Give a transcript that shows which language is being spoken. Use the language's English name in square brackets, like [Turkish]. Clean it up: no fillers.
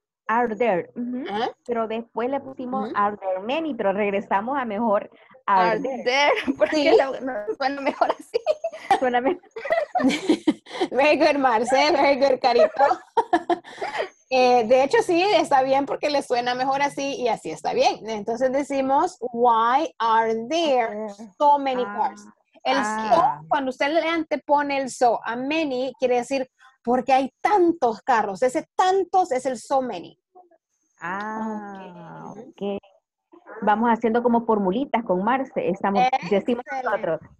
[English] Are there. [Spanish] Pero después le pusimos [English] are there many, [Spanish] pero regresamos a mejor are there. Porque ¿sí? suena mejor así. Suena mejor. [English] Very good, Marce. Very good, Carito. [Spanish] De hecho, sí, está bien porque le suena mejor así y así está bien. Entonces decimos, [English] why are there so many cars? [Spanish] El so, cuando usted le antepone el so a many, quiere decir, porque hay tantos carros. Ese tantos es el so many. Vamos haciendo como formulitas con Marce. Decimos nosotros.